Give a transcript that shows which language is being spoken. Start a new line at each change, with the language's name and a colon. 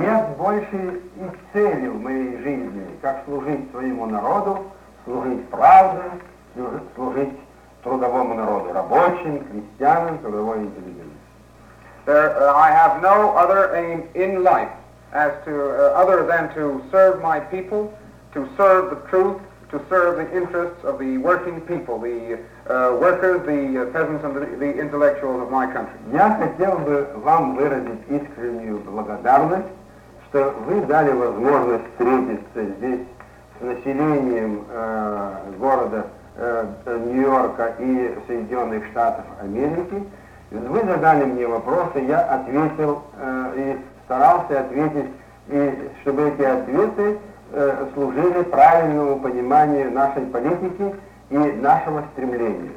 Russian: Нет больше и цели в моей жизни, как служить своему народу, служить правде, служить трудовому народу, рабочим, крестьянам, трудовой интеллигенции.
English: I have no other aim in life as to other than to serve my people, to serve the truth, to serve the interests of the working people, the workers, the peasants, and the intellectuals of my country.
Russian: Я хотел бы вам выразить искреннюю благодарность, что вы дали возможность встретиться здесь с населением города Нью-Йорка и Соединенных Штатов Америки. Вы задали мне вопросы, я ответил и старался ответить, и чтобы эти ответы служили правильному пониманию нашей политики и нашего стремления.